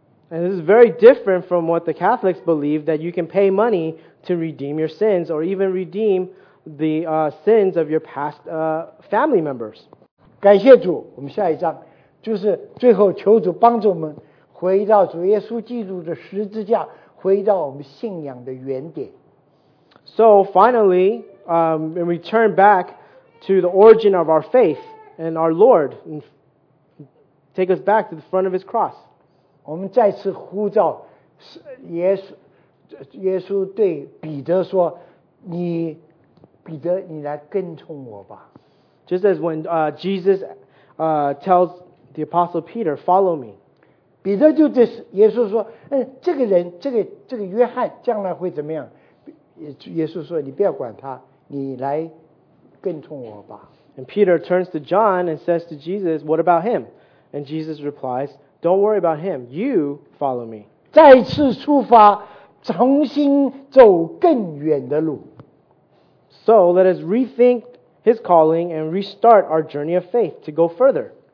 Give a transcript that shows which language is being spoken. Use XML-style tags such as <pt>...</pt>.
<en>And this is very different from what the Catholics believe, that you can pay money to redeem your sins or even redeem the sins of your past family members.</en> <zh>感谢主，我们下一章就是最后求主帮助我们回到主耶稣基督的十字架，回到我们信仰的原点。</zh> <en>So finally, when we turn back to the origin of our faith and our Lord, and take us back to the front of His cross.</en> <zh>我们再次呼召耶稣对彼得说，你彼得你来跟从我吧。</zh> <en>Just as when Jesus tells the Apostle Peter, follow me.</en> <zh>彼得就对耶稣说，这个人这个约翰将来会怎么样，耶稣说你不要管他，你来跟从我吧。</zh> <en>And Peter turns to John and says to Jesus, what about him? And Jesus repliesDon't worry about him. You follow me.</en> <zh>再次出发，重新走更远的路。</zh> <en>So let us rethink his calling and restart our journey of faith to go further.</en>